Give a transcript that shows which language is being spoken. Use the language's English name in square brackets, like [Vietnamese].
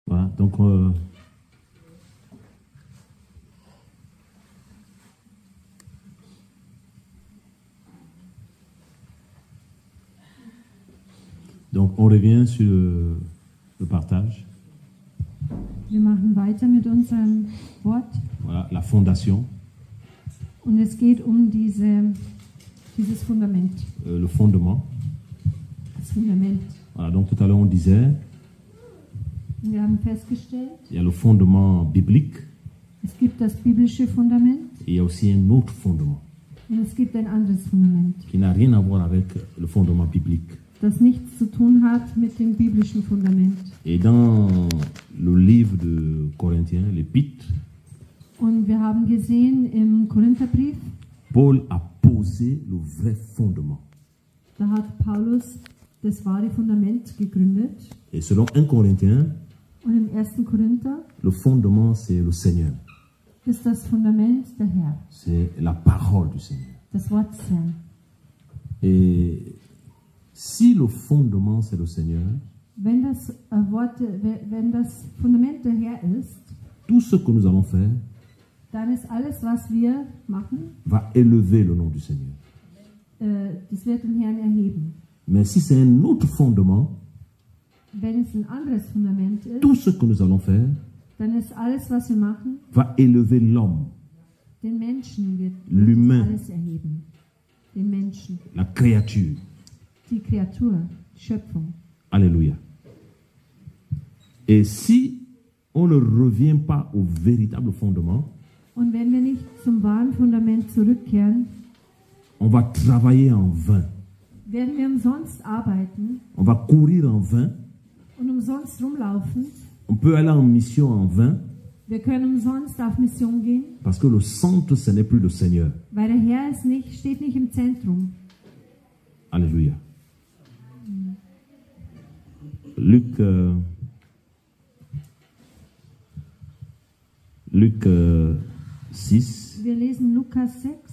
[French] donc on revient sur le partage. [German] Wir machen weiter mit unserem Wort. [French] Voilà, la fondation. [German] Und es geht um dieses Fundament. [French] Le fondement. [German] Das Fundament. [French] Voilà, donc tout à l'heure on disait. [German] Wir haben festgestellt. [French] Il y a le fondement biblique. [German] Es gibt das biblische Fundament. [French] Et il y a aussi un autre fondement. [German] Und es gibt ein anderes Fundament. [French] Qui n'a rien à voir avec le fondement biblique. [German] Das nichts zu tun hat mit dem biblischen Fundament. [French] Et dans le livre de Corinthiens, l'épître. [German] Und wir haben gesehen im Korintherbrief. [French] Paul a posé le vrai fondement. [German] Da hat Paulus das wahre Fundament gegründet. [French] Et selon 1 Corinthiens. [German] Und im 1. Korinther. [French] Le fondement c'est le Seigneur. [German] Ist das Fundament der Herr. [French] C'est la parole du Seigneur. [German] Das Wort des Herrn. [French] Si le fondement c'est le Seigneur, [German] wenn das Fundament der Herr ist, [French] tout ce que nous allons faire, [German] dann ist alles, was wir machen, [French] va élever le nom du Seigneur. [German] Das wird den Herrn erheben. [French] Mais si c'est un autre fondement, [German] wenn es ein anderes Fundament ist, [French] tout ce que nous allons faire, [German] dann ist alles, was wir machen, [French] va élever l'homme, [German] den Menschen wird [French] l'humain, [German] alles erheben, den Menschen, [French] la créature. [German] Die Kreatur, die Schöpfung. Alléluia. [French] Et si on ne revient pas au véritable fondement, [German] und wenn wir nicht zum wahren Fundament zurückkehren, [French] on va travailler en vain. [German] Werden wir umsonst arbeiten, [French] on va courir en vain, [German] und umsonst rumlaufen, [French] on peut aller en mission en vain, [German] wir können umsonst auf Mission gehen, [French] parce que le centre, ce n'est plus le Seigneur. [German] Weil der Herr ist nicht, steht nicht im Zentrum. Alléluia. [French] Luc, Luc 6. [German] Wir lesen Lukas 6.